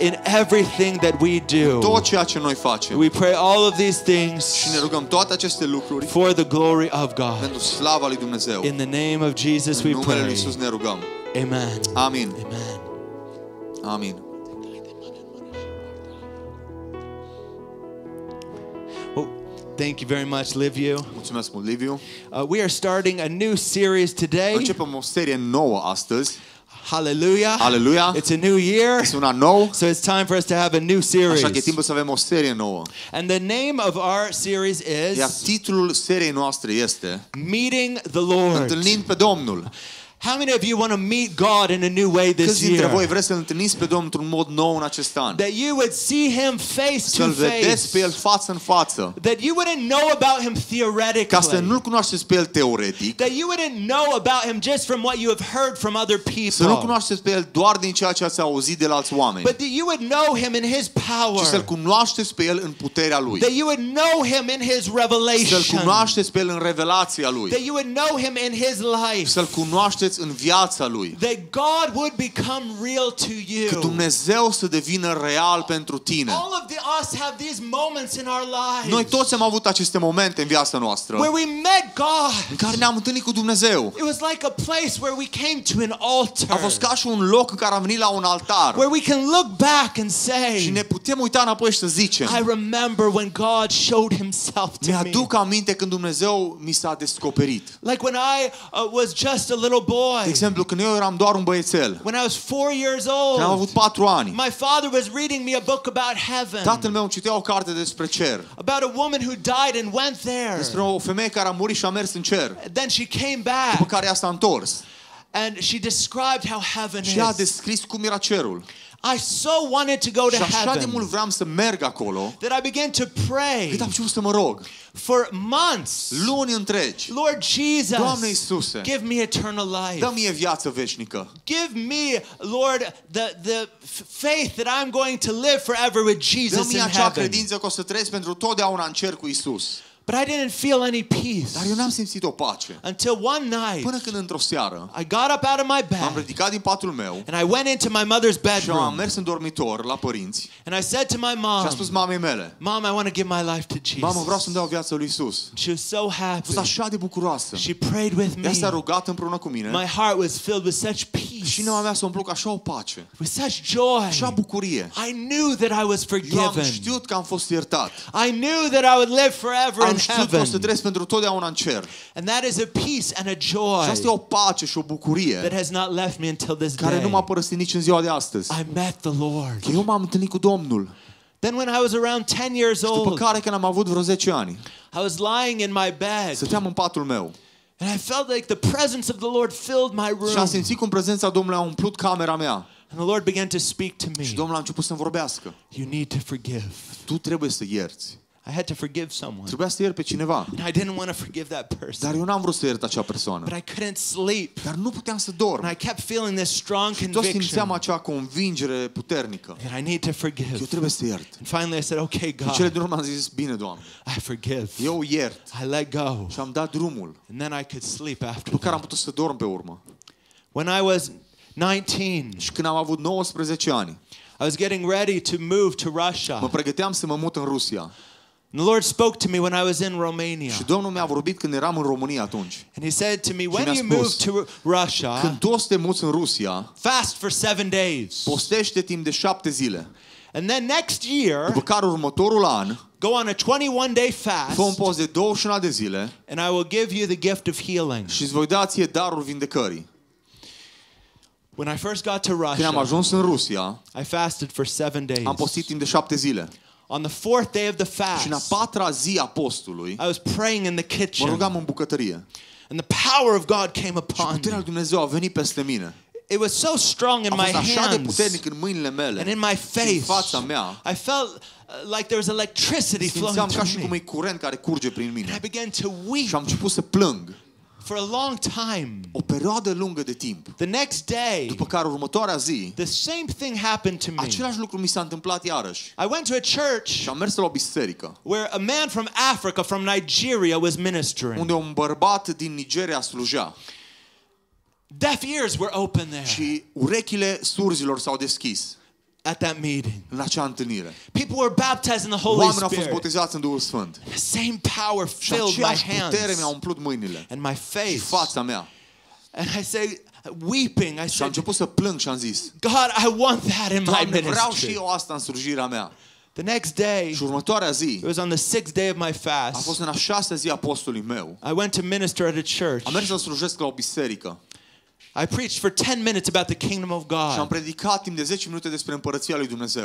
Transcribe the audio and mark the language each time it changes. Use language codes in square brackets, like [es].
[en] In everything that we do. [ro] În tot ceea ce noi facem. [en] We pray all of these things. [ro] Și ne rugăm toate aceste lucruri. [en] For the glory of God. [ro] Pentru slava lui Dumnezeu. [en] In the name of Jesus we pray. [ro] În numele lui Iisus ne rugăm. [en] Amen. [ro] Amin. [en] Amen. [ro] Amin. [en] Thank you very much, Liviu. [ro] Mulțumesc mult, Liviu. [en] We are starting a new series today. [ro] Începem o serie nouă astăzi. [en] Hallelujah. [ro] Hallelujah. [en] It's a new year. [ro] Este una nouă. [en] So it's time for us to have a new series. [ro] Așa că e timpul să avem o serie nouă. [en] And the name of our series is. [ro] Iar titlul seriei noastre este. [en] Meeting the Lord. [ro] Întâlnind pe Domnul. [en] How many of you want to meet God in a new way this year? [ro] Câți dintre voi vreți să-L întâlniți pe Domnul într-un mod nou în acest an? [en] That you would see Him face to face. [ro] Să-L vedeți pe El față în față. [en] That you wouldn't know about Him theoretically. [ro] Ca să nu-L cunoașteți pe El teoretic. [en] That you wouldn't know about Him just from what you have heard from other people. [ro] Să nu-L cunoașteți pe El doar din ceea ce ați auzit de la alți oameni. [en] But that you would know Him in His power. [ro] Și să-L cunoașteți pe El în puterea Lui. [en] That you would know Him in His revelation. [ro] Să-L cunoașteți pe El în revelația Lui. [en] That you would know Him in His life. [ro] Să-L cunoașteți în viața lui. [en] That God would become real to you. [ro] Că Dumnezeu să devină real pentru tine. [en] All of us have these moments in our lives. [ro] Noi toți am avut aceste momente în viața noastră. [en] Where we met God. [ro] În care ne-am întâlnit cu Dumnezeu. [en] It was like a place where we came to an altar. [ro] A fost ca și un loc în care am venit la un altar. [en] Where we can look back and say. [ro] Și ne putem uita înapoi și să zicem. [en] I remember when God showed himself to me. [ro] Mi-aduc aminte când Dumnezeu mi s-a descoperit. [en] Like when I was just a little boy. [ro] De exemplu, când eu eram doar un băiețel. [en] When I was 4 years old. [ro] Când am avut 4 ani. [en] My father was reading me a book about heaven. [ro] Tatăl meu citea o carte despre cer. [en] About a woman who died and went there. [ro] Despre o femeie care a murit și a mers în cer. [en] Then she came back. [ro] După care ea s-a întors. [en] And she described how heaven is. [ro] Și a descris cum era cerul. [en] I so wanted to go to heaven. [ro] Și așa de mult vreau să merg acolo. [en] That I began to pray. [ro] Cât am început să mă rog. [en] For months. [ro] Luni întregi. [en] Lord Jesus. [ro] Doamne Iisuse. [en] Give me eternal life. [ro] Dă-mi viață veșnică. [en] Give me, Lord, the faith that I'm going to live forever with Jesus in heaven. [ro] Dă-mi acea credință că o să trăiesc pentru totdeauna în cer cu Iisus. [en] But I didn't feel any peace. [ro] Dar eu n-am simțit o pace. [en] Until one night. [ro] Până când într-o seară. [en] I got up out of my bed. [ro] M-am ridicat din patul meu. [en] And I went into my mother's bedroom. [ro] Și am mers în dormitor la părinți. [en] And I said to my mom. [ro] Și-a spus mamei mele. [en] Mom, I want to give my life to Jesus. [ro] Mamă, vreau să-mi dau viața lui Iisus. [en] She was so happy. [ro] Fost așa de bucuroasă. [en] She prayed with me. [ro] Ea s-a rugat împreună cu mine. [en] My heart was filled with such peace. [ro] Și inima mea s-a umplut așa o pace. [en] With such joy. [ro] Așa bucurie. [en] I knew that I was forgiven. [ro] Eu am știut că am fost iertat. [en] I knew that I would live forever. [ro] Am știut că o să trăiesc pentru totdeauna în cer. [en] And that is a peace and a joy. [ro] Și asta e o pace și o bucurie. [en] That has not left me until this day. [ro] Care nu m-a părăsit nici în ziua de astăzi. [en] I met the Lord. [ro] Eu m-am întâlnit cu Domnul. [en] Then when I was around 10 years old. [ro] După care când am avut vreo 10 ani. [en] I was lying in my bed. [ro] Stăteam în patul meu. [en] And I felt like the presence of the Lord filled my room. [ro] Și am simțit cum prezența Domnului a umplut camera mea. [en] And the Lord began to speak to me. [ro] Și Domnul a început să vorbească. [en] You need to forgive. [ro] Tu trebuie să ierți. [en] I had to forgive someone. [ro] Trebuia să iert pe cineva. [en] And I didn't want to forgive that person. [ro] Dar eu n-am vrut să iert acea persoană. [en] But I couldn't sleep. [ro] Dar nu puteam să dorm. [en] And I kept feeling this strong conviction. [ro] Și tot simțeam acea convingere puternică. [en] And I need to forgive. [ro] Eu trebuie să iert. [en] And finally I said, okay, God. [ro] În cele din urmă am zis, bine, Doamne. [en] I forgive. [ro] Eu iert. [en] I let go. [ro] Și am dat drumul. [en] And then I could sleep after. [ro] După care am putut să dorm pe urmă. [en] When I was 19. [ro] Și când am avut 19 ani. [en] I was getting ready to move to Russia. [ro] Mă pregăteam să mă mut în Rusia. [en] The Lord spoke to me when I was in Romania. [ro] Și Domnul mi-a vorbit când eram în România atunci. [en] And he said to me, when you move to Russia, [ro] când tu o să te muți în Rusia, [en] fast for 7 days. [ro] Postește timp de 7 zile. [en] And then next year, [ro] după care următorul an, [en] go on a 21-day fast. [ro] Fă un post de 21 de zile. [en] And I will give you the gift of healing. [ro] Și îți voi da ție darul vindecării. [en] When I first got to Russia, [ro] când am ajuns în Rusia, [en] I fasted for 7 days. [ro] Am postit timp de 7 zile. [en] On the fourth day of the fast. [ro] Și în a patra zi a postului. [en] I was praying in the kitchen. [ro] Mă rugam în bucătărie. [en] And the power of God came upon me. [ro] Și puterea lui Dumnezeu a venit peste mine. [en] It was so strong in my hands. [ro] A fost așa de puternic în mâinile mele. [en] And in my face. [ro] Și în fața mea. [en] I felt like there was electricity flowing through me. [ro] Simțeam ca și cum e curent care curge prin mine. [en] And I began to weep. [ro] Și am început să plâng. [en] for a long time. [ro] O perioadă lungă de timp. [en] The next day. [ro] După care următoarea zi. [en] The same thing happened to me. [ro] Același lucru mi s-a întâmplat iarăși. [en] I went to a church. [ro] Și am mers la o biserică. [en] Where a man from Africa, from Nigeria, was ministering. [ro] Unde un bărbat din Nigeria slujea. [en] Deaf ears were open there. [ro] Și urechile surzilor s-au deschis. [en] At that meeting. [ro] La acea întâlnire. [en] People were baptized in the Holy Spirit. [ro] Oamenii au fost botezați în Duhul Sfânt. [en] The same power filled my hands. [ro] Și aceeași putere mi-a umplut mâinile. [en] And my face. [ro] Și fața mea. [en] And I said, weeping, I said, [ro] și am început să plâng și am zis, [en] God, I want that in my ministry. [ro] Vreau și eu asta în slujirea mea. [en] The next day. [ro] Și următoarea zi. [en] It was on the sixth day of my fast. [ro] A fost în a șasea zi a postului meu. [en] I went to minister at a church. [ro] Am mers să slujesc la o biserică. [en] I preached for 10 minutes about the kingdom of God. [ro] Și am predicat timp de 10 minute despre împărăția lui Dumnezeu.